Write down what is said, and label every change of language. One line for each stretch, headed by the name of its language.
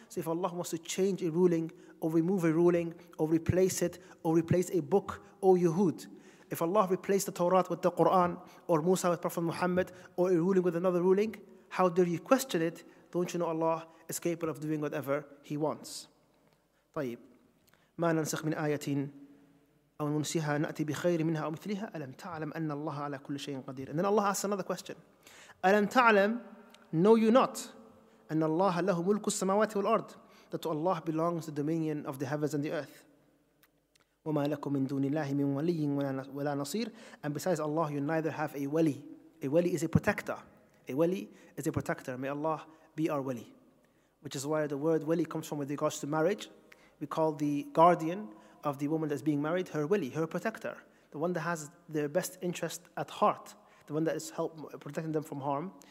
English: So if Allah wants to change a ruling, or remove a ruling, or replace it, or replace a book, or Yuhud, if Allah replaced the Torah with the Quran, or Musa with Prophet Muhammad, or a ruling with another ruling, how dare you question it? Don't you know Allah is capable of doing whatever He wants?
Arabic: طيب ما ننسخ من آية أو ننسيها نأتي بخير منها أو مثلها ألم تعلم أن الله على كل شيء قدير.
English: And then Allah asks another question.
Arabic: ألم تعلم,
English: know you not,
Arabic: أن الله له ملك السماوات والأرض,
English: that to Allah belongs the dominion of the heavens and the earth.
Arabic: وما لكم من دون الله من ولي ولا نصير.
English: And besides Allah, you neither have a wali. A wali is a protector. A wali is a protector. May Allah be our wali. Which is where the word wali comes from with regards to marriage. We call the guardian of the woman that's being married her wali, her protector. The one that has their best interest at heart. The one that is protecting them from harm.